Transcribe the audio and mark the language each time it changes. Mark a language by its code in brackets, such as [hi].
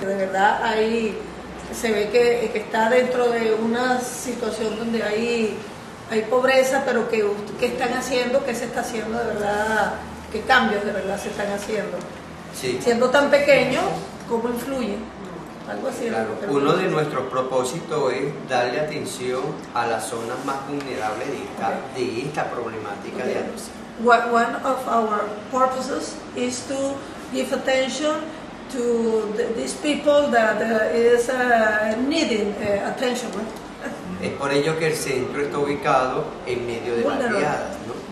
[es] De verdad, ahí se ve que está dentro de una situación donde hay pobreza, pero que están haciendo, que se está haciendo de verdad, qué cambios de verdad se están haciendo. Sí. Siendo tan pequeño, ¿cómo influye? Algo así. Claro. Uno de nuestros propósitos es darle atención a las zonas más vulnerables de esta problemática de anorexia. [en] One of our purposes is to give attention to these people that is needing attention. [es] Es por ello que el centro está ubicado en medio de barriadas, ¿no?